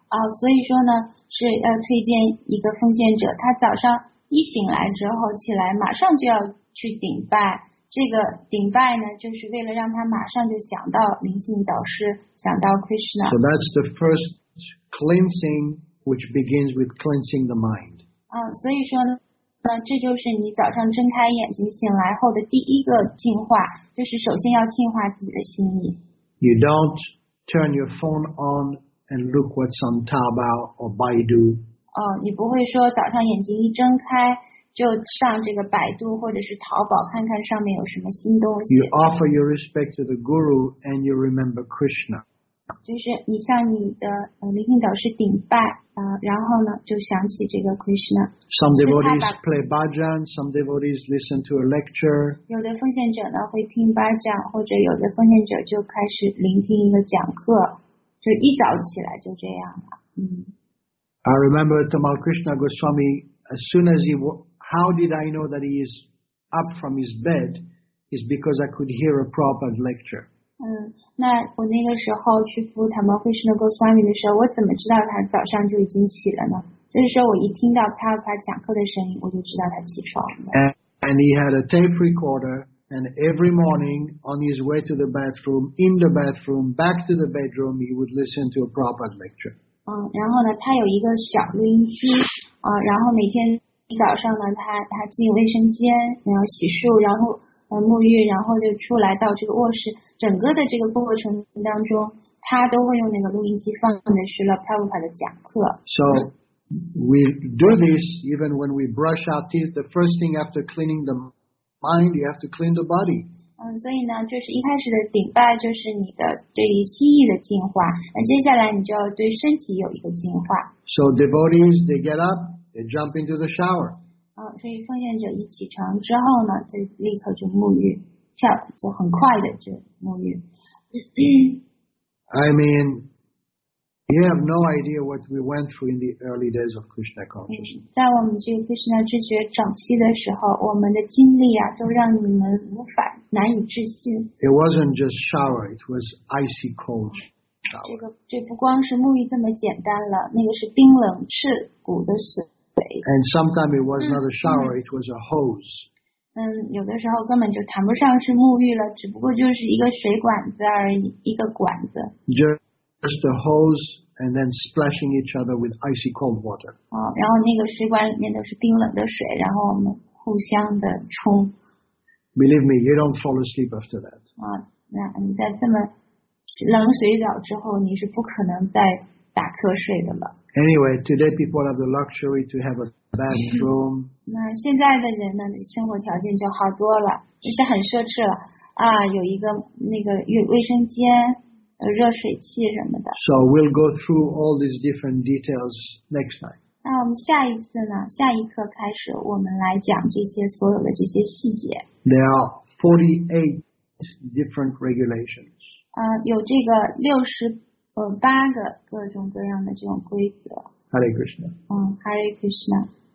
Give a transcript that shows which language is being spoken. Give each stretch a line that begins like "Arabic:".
Chinese: 所以说呢，是要推荐一个奉献者，他早上一醒来之后起来，马上就要去顶拜。这个顶拜呢，就是为了让他马上就想到灵性导师，想到 Krishna。
English: So that's the first cleansing, which begins with cleansing the mind.
Chinese: 所以说呢，这就是你早上睁开眼睛醒来后的第一个净化，就是首先要净化自己的心意。
English: You don't turn your phone on and look what's on Taobao or Baidu.
Chinese: 你不会说早上眼睛一睁开。就上这个百度或者是淘宝看看上面有什么新东西。
English: You offer your respect to the guru and you remember Krishna.
Chinese: 就是你向你的灵性导师顶拜，然后呢就想起这个 Krishna.
English: Some devotees play bhajan, some devotees listen to a lecture.
Chinese: 有的奉献者呢会听 bhajan, 或者有的奉献者就开始聆听一个讲课，就一早起来就这样了。
English: I remember Tamal Krishna Goswami, as soon as How did I know that he is up from his bed? Is because I could hear a Prabhupada lecture.
Chinese: 那我那个时候去服务檀摩慧师那个 Swami 的时候，我怎么知道他早上就已经起了呢？就是说我一听到 Prabhupada 讲课的声音，我就知道他起床了。
English: And he had a tape recorder, and every morning on his way to the bathroom, in the bathroom, back to the bedroom, he would listen to a Prabhupada lecture.
Chinese: 然后呢，他有一个小录音机，然后每天。早上呢，他进卫生间，然后洗漱，然后沐浴，然后就出来到这个卧室。整个的这个过程当中，他都会用那个录音机放的是了Prabhupada的讲课。
English: So we do this even when we brush our teeth. The first thing after cleaning the mind, you have to clean the body.
Chinese: 所以呢，就是一开始的顶拜就是你的对于心意的净化。那接下来你就要对身体有一个净化。
English: So devotees they get up. They jump into the shower.
Chinese: 所以奉献者一起床之后呢，就立刻就沐浴，跳就很快的就沐浴。
English: I mean, you have no idea what we went through in the early days of Krishna consciousness.
Chinese: 在我们这个 Krishna 知觉早期的时候，我们的经历啊，都让你们无法难以置信。
English: It wasn't just shower; it was icy cold.
Chinese: 这不光是沐浴这么简单了，那个是冰冷刺骨的水。
English: And sometimes it was not a shower, it was a hose.
Chinese: 有的时候根本就谈不上是沐浴了，只不过就是一个水管子而已，一个管子。
English: Just a hose and then splashing each other with icy cold water.
Chinese: 然后那个水管里面都是冰冷的水，然后我们互相的冲。
English: Believe me, you don't fall asleep after that.
Chinese: 你在这么冷水澡之后，你是不可能再打瞌睡的了。
English: Anyway, today people have the luxury to have a bathroom.
Chinese: 那现在的人呢，生活条件就好多了，就是很奢侈了啊，有一个那个卫生间，热水器什么的。
English: So we'll go through all these different details next time.
Chinese: 那我们下一次呢？下一课开始，我们来讲这些所有的这些细节。
English: There are 48 different regulations.
Chinese: 有这个八个各种各样的这种规则。
English: Hare Krishna. Hare Krishna.